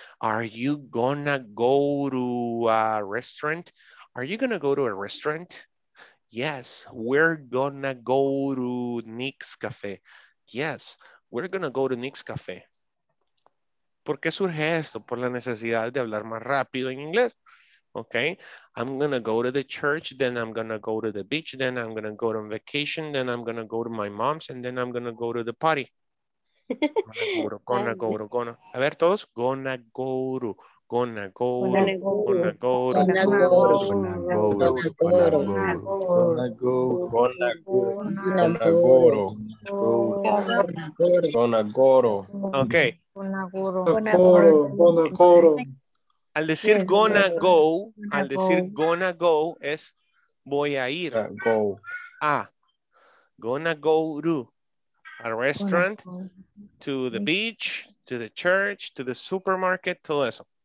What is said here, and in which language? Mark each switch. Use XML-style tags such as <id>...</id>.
<en>Are you gonna go to a restaurant? Are you gonna go to a restaurant? Yes, we're gonna go to Nick's Cafe. Yes, we're gonna go to Nick's Cafe.</en> <es>¿Por qué surge esto? Por la necesidad de hablar más rápido en inglés.</es> <en>Okay, I'm gonna go to the church, then I'm gonna go to the beach, then I'm gonna go on vacation, then I'm gonna go to my mom's, and then I'm gonna go to the party. Gonna go to.</en> <es>A ver, todos.</es> <en>Gonna go.</en> <es>Al decir gonna go, al decir gonna go es voy a ir.</es> <en>Go. Ah, gonna go to a restaurant, to the beach, to the church, to the supermarket,</en> <es>todo eso.</es>